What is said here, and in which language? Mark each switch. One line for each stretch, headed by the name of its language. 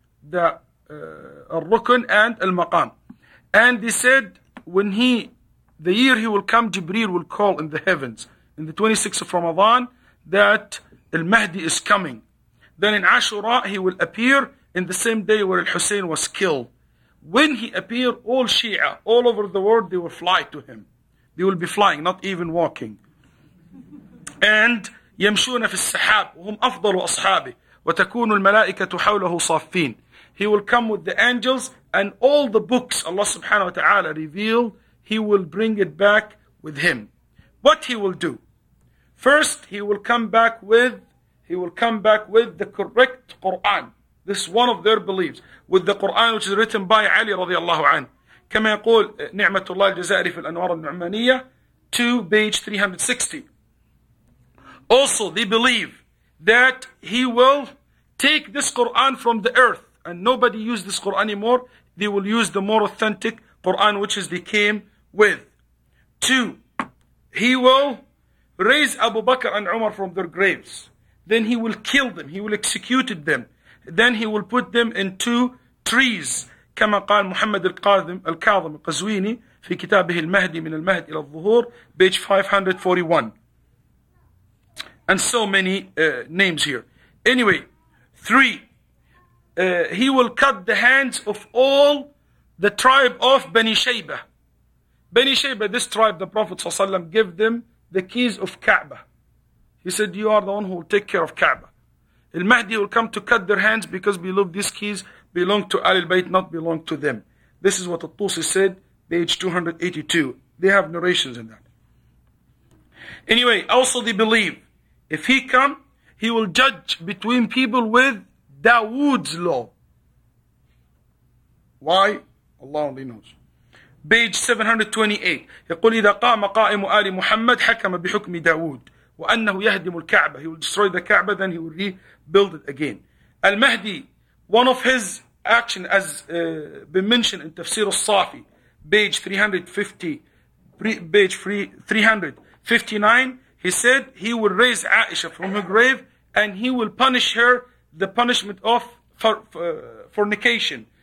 English: Al-Rukn and al-Maqam. And they said, the year he will come, Jibreel will call in the heavens, in the 26th of Ramadan, that al-Mahdi is coming. Then in Ashura, he will appear in the same day where al-Husayn was killed. When he appeared, all Shia, all over the world, they will fly to him. They will be flying, not even walking.
Arabic: And يمشون في السحاب وهم أفضل أصحابه وتكون الملائكة حوله صافين.
English: He will come with the angels and all the books Allah subhanahu wa ta'ala revealed, he will bring it back with him. What he will do? First, he will come back with the correct Quran. This is one of their beliefs. With the Quran which is written by Ali radiallahu anhu.
Arabic: كما يقول نعمة الله الجزائري في الأنوار النعمانية 2
English: page 360. Also, they believe that he will take this Quran from the earth and nobody use this Quran anymore. They will use the more authentic Quran which is they came with. Two, he will raise Abu Bakr and Umar from their graves. Then he will kill them. He will execute them. Then he will put them in two trees.
Arabic: كما قال محمد الكاظم القزويني في كتابه المهدي من المهد إلى الظهور,
English: page 541. And so many names here. Anyway, three, he will cut the hands of all the tribe of Bani Shaybah. Bani Shaybah, this tribe, the Prophet ﷺ gave them the keys of Kaaba. He said, you are the one who will take care of Kaaba. Al-Mahdi will come to cut their hands because believe these keys belong to Ahlul Bayt, not belong to them. This is what Al-Tusi said, page 282. They have narrations in that. Anyway, also they believe, if he come, he will judge between people with Dawood's law. Why? Allah only knows. Page 728.
Arabic: يقول إذا قام قائم آل محمد حكم بحكم داود وأنه يهدم الكعبة.
English: He will destroy the Kaaba, then he will rebuild it again. Al-Mahdi, one of his action as been mentioned in Tafsir al-Safi, page 359. He said he will raise Aisha from her grave and he will punish her the punishment of fornication.